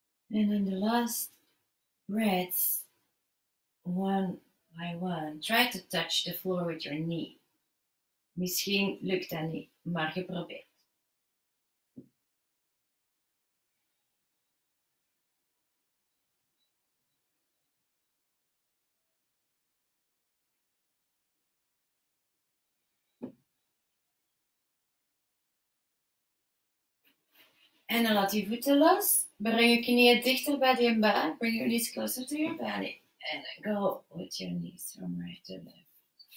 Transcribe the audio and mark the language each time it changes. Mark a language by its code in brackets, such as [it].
[en] And then the last breaths, one by one. Try to touch the floor with your knee. [nl] Misschien lukt dat niet, maar je probeert. En dan laat je voeten los. Breng je knieën dichter bij je buik. [en] Bring your knees closer to your belly. En go with your knees from right to left.